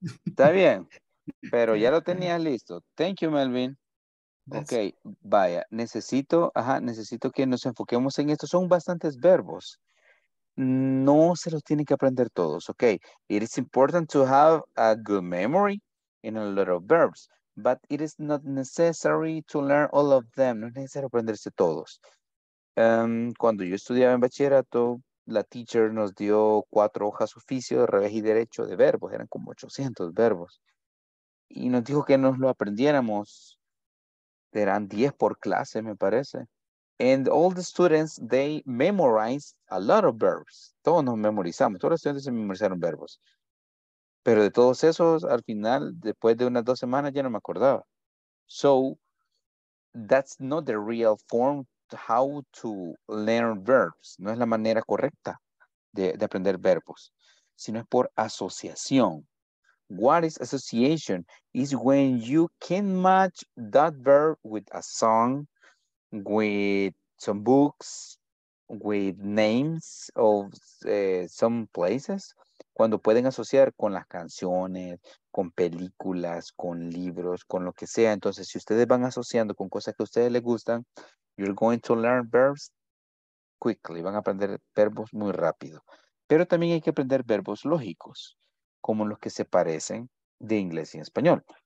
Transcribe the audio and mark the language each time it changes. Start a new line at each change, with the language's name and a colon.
Spanish: Está bien. Pero ya lo tenía listo.
English: Thank you, Melvin. Ok, yes.
Spanish: Vaya. Necesito que nos enfoquemos en esto. Son bastantes verbos. No se los tienen que aprender todos, ok.
English: It is important to have a good memory in a lot of verbs. But it is not necessary to learn all of them.
Spanish: No es necesario aprenderse todos. Cuando yo estudiaba en bachillerato, la teacher nos dio 4 hojas oficio, revés y derecho de verbos. Eran como 800 verbos. Y nos dijo que nos lo aprendiéramos. Eran 10 por clase, me parece.
English: And all the students, they memorize a lot of verbs.
Spanish: Todos nos memorizamos. Todos los estudiantes se memorizaron verbos. Pero de todos esos, al final, después de unas dos semanas, ya no me acordaba.
English: So, that's not the real form how to learn verbs.
Spanish: No es la manera correcta de aprender verbos. Sino es por asociación.
English: What is association? Is when you can match that verb with a song, with some books, with names of some places.
Spanish: Cuando pueden asociar con las canciones, con películas, con libros, con lo que sea. Entonces, si ustedes van asociando con cosas que a ustedes les gustan,
English: you're going to learn verbs quickly.
Spanish: Van a aprender verbos muy rápido. Pero también hay que aprender verbos lógicos, como los que se parecen de inglés y español.